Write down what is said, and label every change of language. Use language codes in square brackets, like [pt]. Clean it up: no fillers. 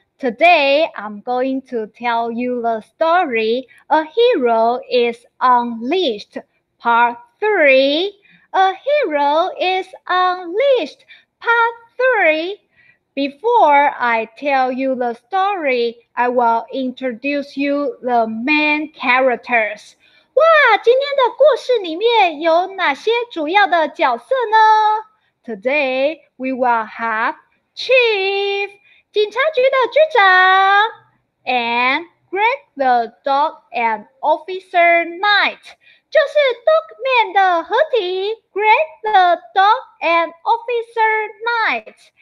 [en] Today, I'm going to tell you the story, A Hero is Unleashed, Part 3. A Hero is Unleashed, Part 3. Before I tell you the story, I will introduce you the main characters. [zh] 哇，今天的故事里面有哪些主要的角色呢？ [en] Today, we will have Chief, [zh] 警察局的局长， [en] and Greg the Dog and Officer Knight, [zh] 就是 [en] Dogman 的合体， Greg the Dog and Officer Knight.